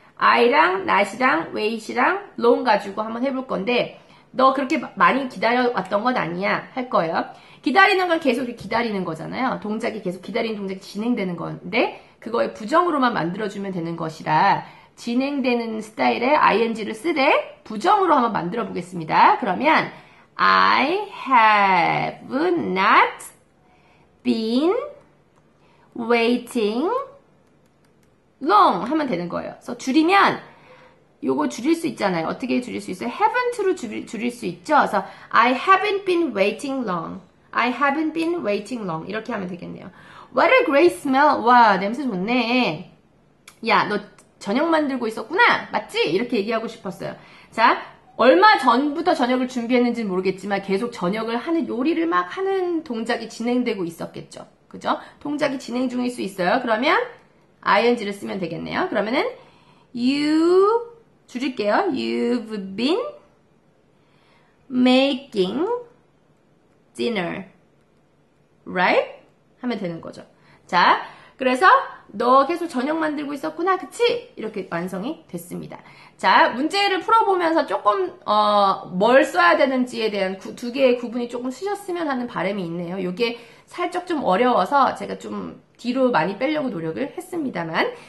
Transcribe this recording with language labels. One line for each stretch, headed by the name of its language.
Korean: I랑 not이랑 wait이랑 long 가지고 한번 해볼 건데 너 그렇게 많이 기다려왔던 건 아니야. 할 거예요. 기다리는 건 계속 기다리는 거잖아요. 동작이 계속 기다리는 동작이 진행되는 건데 그거의 부정으로만 만들어주면 되는 것이라 진행되는 스타일의 ing를 쓰되 부정으로 한번 만들어 보겠습니다. 그러면
English: I have not been waiting long
Korean: 하면 되는 거예요. 그래서 줄이면 요거 줄일 수 있잖아요. 어떻게 줄일 수 있어요? haven't로 줄일 수 있죠. 그래서
English: I haven't been waiting long. I haven't been waiting long.
Korean: 이렇게 하면 되겠네요.
English: What a great smell.
Korean: 와, 냄새 좋네. 야, 너 저녁 만들고 있었구나. 맞지? 이렇게 얘기하고 싶었어요. 자, 얼마 전부터 저녁을 준비했는지는 모르겠지만 계속 저녁을 하는 요리를 막 하는 동작이 진행되고 있었겠죠. 그죠? 동작이 진행 중일 수 있어요. 그러면 ing를 쓰면 되겠네요. 그러면은 you 줄일게요.
English: You've been making dinner, right?
Korean: 하면 되는 거죠. 자, 그래서 너 계속 저녁 만들고 있었구나, 그치? 이렇게 완성이 됐습니다. 자, 문제를 풀어보면서 조금 뭘 써야 되는지에 대한 두 개의 구분이 조금 쓰셨으면 하는 바람이 있네요. 요게 살짝 좀 어려워서 제가 좀 뒤로 많이 빼려고 노력을 했습니다만.